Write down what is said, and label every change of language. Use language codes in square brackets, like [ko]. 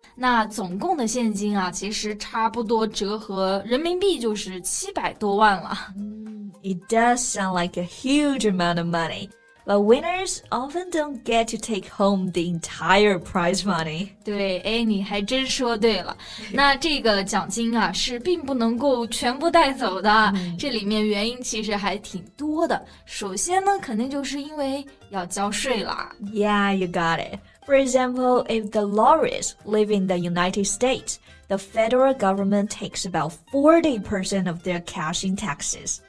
[zh] 那总共的现金啊其实差不多折合人民币就是700多万了。 [en] It does sound like a huge amount of money, but winners often don't get to take home the entire prize money. [zh] 对，哎，你还真说对了。那这个奖金啊是并不能够全部带走的，这里面原因其实还挺多的。首先呢肯定就是因为要交税了。 [en] Yeah, you got it. For example, if the laureates live in the United States, the federal government takes about 40% of their cash in taxes.